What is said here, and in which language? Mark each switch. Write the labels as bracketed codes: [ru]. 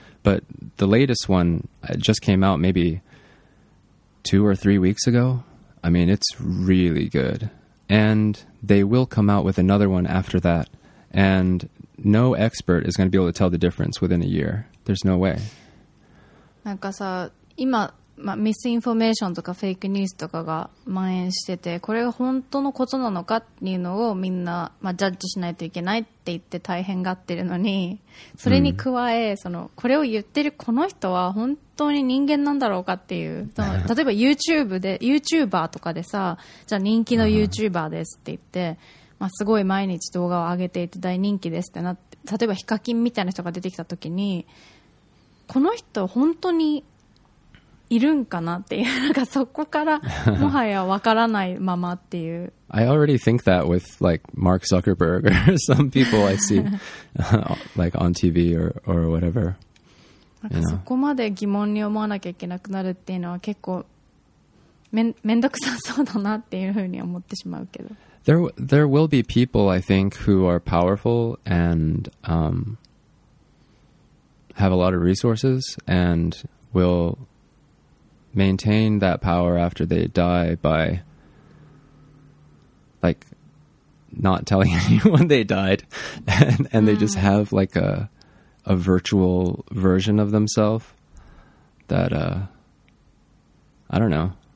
[en] But the latest one just came out maybe 2 or 3 weeks ago. I mean, it's really good. And they will come out with another one after that. And no expert is going to be able to tell the difference within a year. There's no way. [ja] なんかさ、今、まあ、ミスインフォメーションとかフェイクニュースとかが蔓延してて、これが本当のことなのかっていうのをみんな、まあ、ジャッジしないといけないって言って大変がってるのに、それに加え、その、これを言ってるこの人は本当に人間なんだろうかっていう、その、例えば YouTube で、YouTuber とかでさ、じゃあ人気の YouTuber ですって言って、まあ、すごい毎日動画を上げていて大人気ですってなって、例えばヒカキンみたいな人が出てきた時に、この人本当にいるんかなっていう、なんかそこからもはやわからないままっていう。 [en] I already think that with like Mark Zuckerberg or some people I see like on TV or whatever. [ja] なんかそこまで疑問に思わなきゃいけなくなるっていうのは結構めんどくさそうだなっていうふうに思ってしまうけど。 [en] There will be people, I think, who are powerful and have a lot of resources and will maintain that power after they die by, like, not telling anyone they died and they just have, like, a virtual version of themselves that, I don't know.